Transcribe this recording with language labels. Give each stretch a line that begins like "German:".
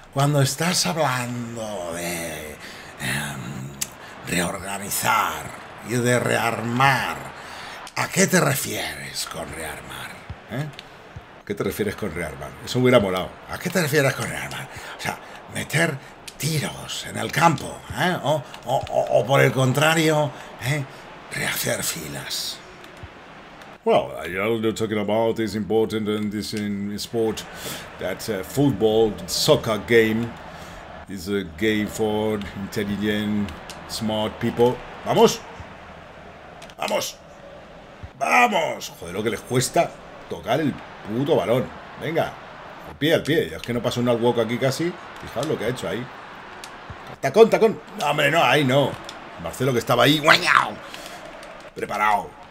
Spanish: Cuando estás hablando de reorganizar y de rearmar, ¿a qué te refieres con rearmar? ¿A qué te refieres con rearmar? Eso me hubiera molado. ¿A qué te refieres con rearmar? O sea, meter tiros en el campo, ¿eh? O por el contrario, rehacer filas.
English: Well, I know you're talking about this important and this in sport, that football, soccer game, is a game for intelligent, smart people.
Spanish: ¡Vamos! ¡Vamos! ¡Vamos! Joder, lo que les cuesta tocar el puto balón. Venga, al pie, al pie. Ya es que no pasó un walk aquí casi. Fijaos lo que ha hecho ahí. ¡Tacón, tacón! ¡No, hombre, no! ¡Ahí no! Marcelo, que estaba ahí. ¡Guau! ¡Preparado!